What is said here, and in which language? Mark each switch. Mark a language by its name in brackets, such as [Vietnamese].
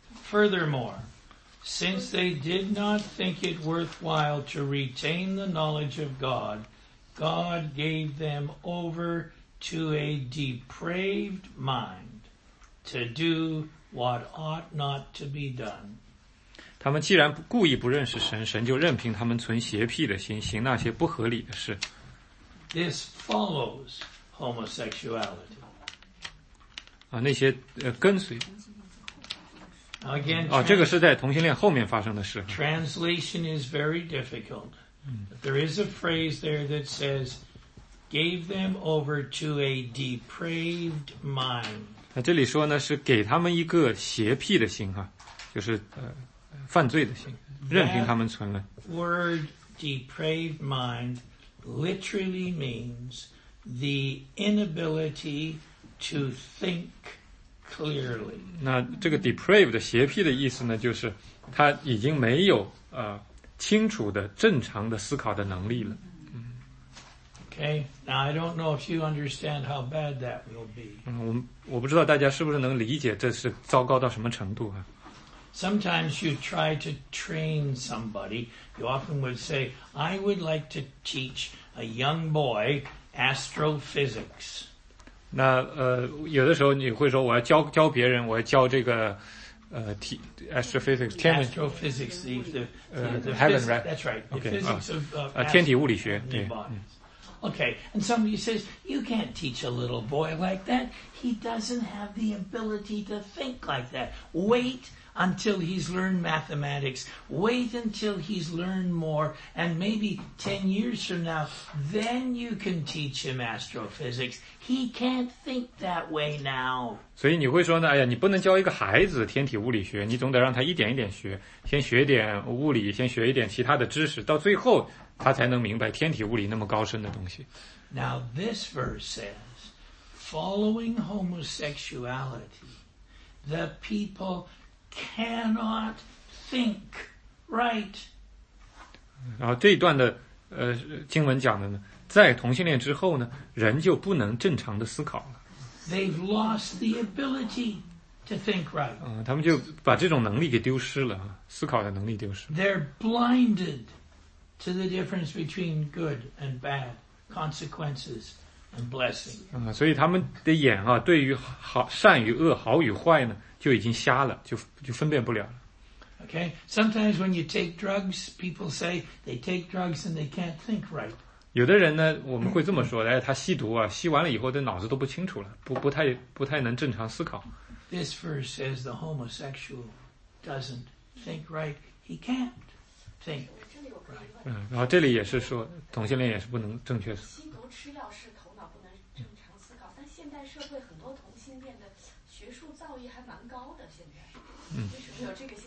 [English] Furthermore,Since they did not think it worthwhile to retain the knowledge of God, God gave them over to a depraved mind to do what ought not to be done. [Chinese] 他们既然故意不认识神，神就任凭他们存邪僻的心，行那些不合理的事。 [English] This follows homosexuality. [Chinese] 啊，那些跟随。 [English] Again, [Chinese] 这个是在同性恋后面发生的事。 [English] Translation is very difficult. But there is a phrase there that says, gave them over to a depraved mind. [Chinese] 这里说呢，是给他们一个邪僻的心啊，就是犯罪的心，任凭他们存了。 [English] That word depraved mind literally means the inability to think clearly. [Chinese] 那这个 depraved 邪僻的意思呢，就是他已经没有清楚的正常的思考的能力了。 [English] Okay, now I don't know if you understand how bad that will be. [Chinese] 我不知道大家是不是能理解这是糟糕到什么程度啊。 [English] Sometimes you try to train somebody, you often would say, I would like to teach a young boy astrophysics. [Chinese] 那有的时候你会说我要教别人，我要教这个astrophysics 天文 [English] astrophysics the heaven right that's right the okay, physics of [Chinese] 天体物理学对 [English] okay and somebody says you can't teach a little boy like that he doesn't have the ability to think like that wait until he's learned mathematics wait until he's learned more and maybe 10 years from now then you can teach him astrophysics he can't think that way now [Chinese] 所以你会说呢，哎呀，你不能教一个孩子天体物理学，你总得让他一点一点学，先学点物理，先学一点其他的知识，到最后他才能明白天体物理那么高深的东西。 [English] Now this verse says following homosexuality the peoplecannot think right. [Chinese] 然后这一段的经文讲的呢，在同性恋之后呢，人就不能正常的思考了。 [English] They've lost the ability to think right. [Chinese] 他们就把这种能力给丢失了，思考的能力丢失了。 [English] They're blinded to the difference between good and bad consequences and blessing. [Chinese] 所以他们的眼啊，对于好善与恶、好与坏呢，就已经瞎了，就分辨不了。 [English] Okay, sometimes when you take drugs, people say they take drugs and they can't think right. [Chinese] 有的人呢，我们会这么说，哎，他吸毒啊，吸完了以后，这脑子都不清楚了，不太能正常思考。 [English] This verse says the homosexual doesn't think right. He can't think right. [Chinese] 嗯，然后这里也是说，同性恋也是不能正确思考。吸毒吃药是头脑不能正常思考，但现代社会很多同性恋的学术造诣还蛮高的，现在。